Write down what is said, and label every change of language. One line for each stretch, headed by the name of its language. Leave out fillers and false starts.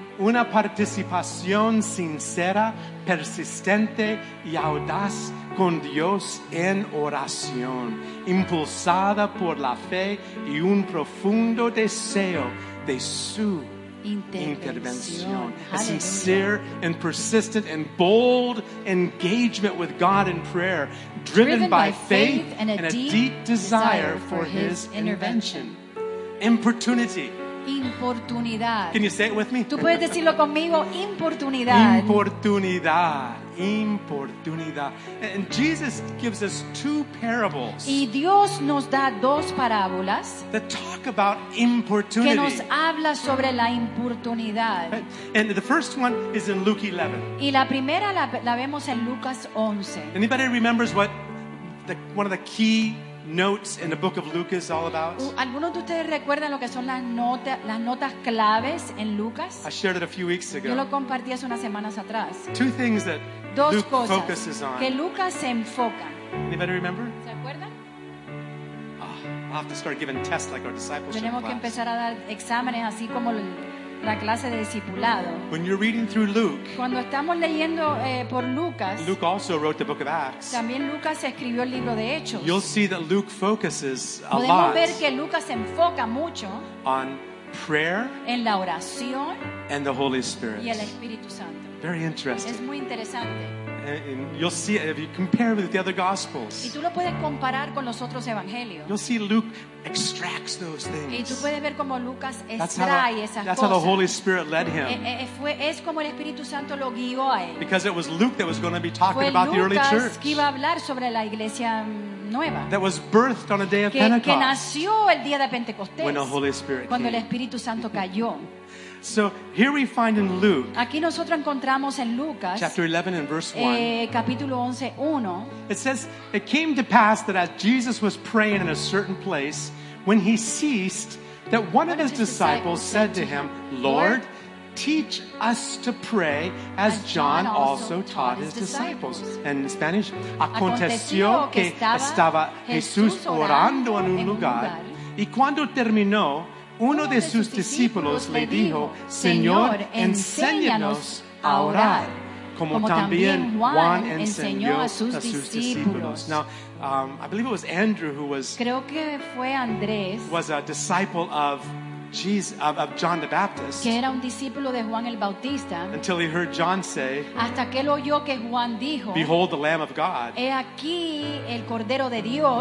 Spanish: Una participación sincera, persistente y audaz con Dios en oración, impulsada por la fe y un profundo deseo de su intervención.
English: A sincere and persistent and bold engagement with God in prayer, driven by faith and a deep desire for his intervention. Importunity.
Spanish: Importunidad.
English: Can you say it with me?
Spanish: Tú puedes decirlo conmigo, importunidad. Importunidad. Importunidad.
English: And Jesus gives us two parables.
Spanish: Y Dios nos da dos parábolas.
English: That talk about importunity.
Spanish: Que nos habla sobre la importunidad.
English: And the first one is in Luke 11.
Spanish: Y la primera la vemos en Lucas 11.
English: Anybody remembers what one of the key notes in the book of Luke is all about?
Spanish: ¿Alguno de ustedes recuerdan lo que son las notas claves en Lucas?
English: I shared it a few weeks ago.
Spanish: Yo lo compartí hace unas semanas atrás.
English: Two things that
Spanish: Dos
English: Luke
Spanish: cosas
English: focuses on.
Spanish: Que Lucas se enfoca.
English: Anybody remember?
Spanish: ¿Se acuerdan?
English: Oh, I'll have to start giving tests like our discipleship
Spanish: Tenemos
English: class.
Spanish: Que empezar a dar exámenes así como la clase de discipulado.
English: When you're reading through Luke,
Spanish: cuando estamos leyendo por Lucas,
English: Luke also wrote the book of Acts,
Spanish: también Lucas escribió el libro de Hechos.
English: You'll see that Luke focuses a
Spanish: Podemos
English: lot
Spanish: ver que Lucas se enfoca mucho
English: on prayer
Spanish: en la oración
English: and the Holy Spirit.
Spanish: Y el Espíritu Santo.
English: Very interesting.
Spanish: Es muy interesante.
English: And you'll see it if you compare with the other gospels.
Spanish: Y tú lo puedes comparar con los otros evangelios.
English: You'll see Luke extracts those things.
Spanish: Y tú puedes ver cómo Lucas extrae esas cosas.
English: That's how the Holy Spirit led him.
Spanish: Es como el Espíritu Santo lo guió a él.
English: Because it was Luke that was going to be talking about
Spanish: Lucas
English: the early church.
Spanish: Fue Lucas que iba a hablar sobre la iglesia nueva.
English: That was birthed on a day of Pentecost.
Spanish: Que nació el día de Pentecostés.
English: When the Holy Spirit
Spanish: cuando
English: came.
Spanish: El Espíritu Santo cayó.
English: So here we find in Luke.
Spanish: Aquí nosotros encontramos en Lucas.
English: Chapter 11 and verse 1.
Spanish: Capítulo 11, 1.
English: It says, "It came to pass that as Jesus was praying in a certain place, when he ceased, that one of his disciples said to him, 'Lord, teach us to pray as John also taught his disciples.
Spanish: En Spanish, aconteció que estaba Jesús orando en un lugar y cuando terminó, uno de sus discípulos le dijo, Señor, enséñanos a orar, como también Juan enseñó a sus discípulos.
English: Now, I believe it was Andrew who was,
Spanish: creo que fue Andrés,
English: was a disciple of Jesus, of John the Baptist,
Spanish: que era un discípulo de Juan el Bautista,
English: until he heard John say,
Spanish: hasta que él oyó que Juan dijo,
English: behold the Lamb of God,
Spanish: he aquí el Cordero de Dios,